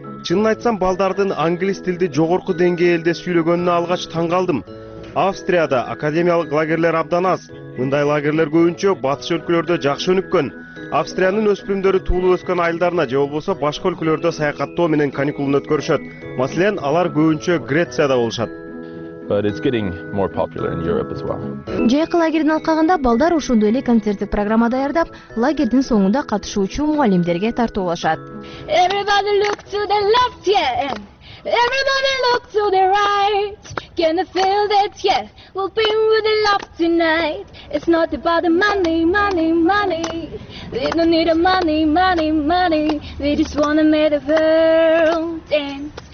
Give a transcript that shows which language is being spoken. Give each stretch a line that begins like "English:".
Kyrgyz: Чынын айтсам, балдардын англис тилди жогорку деңгээлде сүйлөгөнүнө алгач таң калдым. Австрияда академиялык лагерлер абдан аз. Мындай лагерлер көбүнчө батыш өлкөлөрдө жакшы өнүккөн. Австриянын өспүрүмдөрү туулуп өскөн айылдарына же болбосо башка өлкөлөрдө саякаттоо менен каникулун өткөрүшөт. Маселен, алар көбүнчө Грецияда болушат.
English: but it's getting more popular in Europe as well.
Kyrgyz: Жайкы лагерден алкагында балдар ошондой эле концерттик программа даярдап, лагерден соңунда катышуучу мугалимдерге тартуулашат.
English: Everybody look to the left, yeah. Everybody look to the right. Can I feel that, yeah? We'll be with the love tonight. It's not about the money, money, money. We don't need the money, money, money. We just wanna make the world dance.